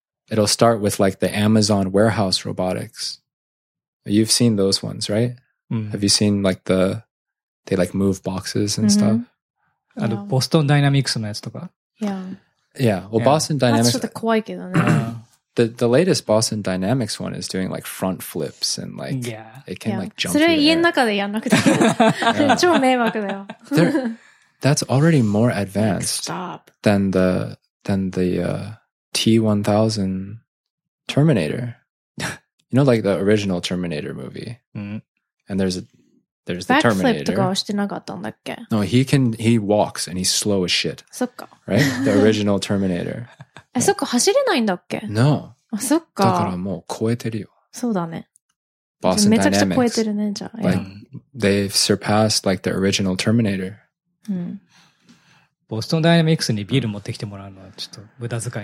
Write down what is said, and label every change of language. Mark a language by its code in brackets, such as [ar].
[en] It'll start with like the Amazon warehouse robotics. You've seen those ones, right? Have you seen like the, they like move boxes and stuff? [ja] And Boston Dynamics のやつとか? [en] Yeah. Well, Boston Dynamics. That's sort of [ja] 怖いけどね。 [en] The latest Boston Dynamics one is doing like front flips and like, it can like jump. [ja] それ家の中でやんなくていい。超迷惑だよ。 [en] That's already more advanced than the T-1000 Terminator. You know, like the original Terminator movie. And there's the Terminator. [ja] Backflip とかはしてなかったんだっけ? [en] No, he walks and he's slow as shit. [ja] そっか。 [en] Right? The original Terminator. [ja] え、そっか、走れないんだっけ? [en] No. [ja] あ、そっか。だからもう超えてるよ。そうだね。 [en] Boston Dynamics. [ja] めちゃくちゃ超えてるね、じゃあ。 [en] Like, they've surpassed like the original Terminator. [ja] Boston Dynamics にビール持ってきてもらうのはちょっと無駄遣い